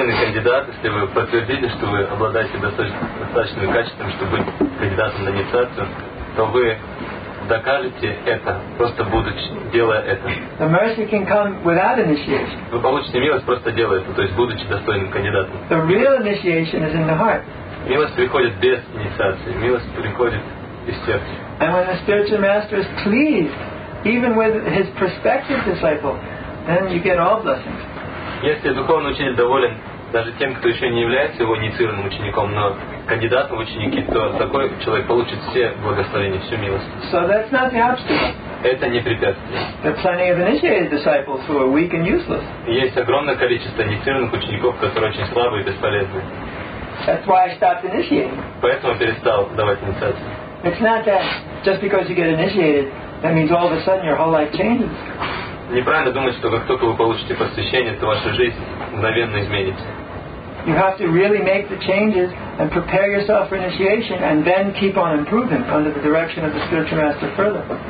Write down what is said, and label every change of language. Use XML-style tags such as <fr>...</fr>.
<en>Just by being a worthy candidate.</en> <ru>Докажете это, просто будучи, делая это.</ru> <en>The mercy can come without initiation.</en> <ru>Вы получите милость, просто делая это, то есть будучи достойным кандидатом.</ru> <en>The real initiation is in the heart.</en> <ru>Милость приходит без инициации, милость приходит из сердца.</ru> <en>And when the spiritual master is pleased, even with his prospective disciple, then you get all blessings.</en> <ru>Если духовный учитель доволен даже тем, кто еще не является его инициированным учеником, но кандидатом в ученики, то такой человек получит все благословения, всю милость.</ru> <en>So that's not the obstacle.</en> <ru>Это не препятствие.</ru> <en>There are plenty of initiated disciples who are weak and useless.</en> <ru>Есть огромное количество инициированных учеников, которые очень слабые и бесполезны.</ru> <en>That's why I stopped initiating.</en> <ru>Поэтому перестал давать инициации.</ru> <en>It's not that just because you get initiated, that means all of a sudden your whole life changes.</en> <ru>Неправильно думать, что как только вы получите посвящение, то ваша жизнь мгновенно изменится.</ru> <en>You have to really make the changes and prepare yourself for initiation and then keep on improving under the direction of the spiritual master further.</en>